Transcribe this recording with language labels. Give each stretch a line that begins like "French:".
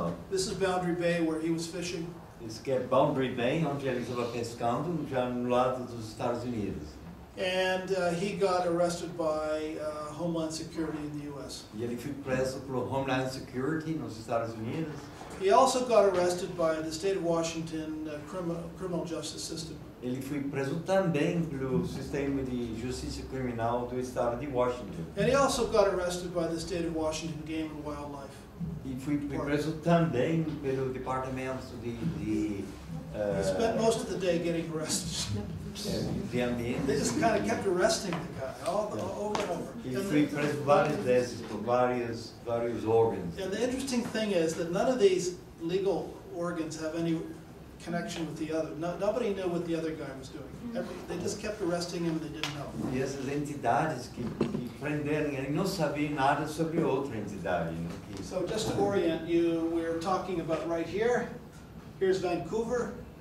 English: This is Boundary Bay, where he was fishing.
Portuguese: Isso que é Boundary Bay, onde ele estava pescando, já no lado dos Estados Unidos.
English: And he got arrested by Homeland Security in the U.S.
Portuguese: E ele foi preso pelo Homeland Security nos Estados Unidos.
English: He also got arrested by the state of Washington criminal justice system.
Portuguese: Ele foi preso também pelo sistema de justiça criminal do estado de Washington.
English: And he also got arrested by the state of Washington Game and Wildlife.
Portuguese: E foi preso também pelo departamento
English: he spent most of the day getting arrested. They just kind of kept arresting the guy over and over. And various organs. And the interesting thing is that none of these legal organs have any connection with the other. Nobody knew what the other guy was doing. They just kept arresting him and they didn't know.
Portuguese: E essas entidades que prenderam, ele não sabia nada sobre outra entidade.
English: So just to orient you, we're talking about right here. Here's Vancouver.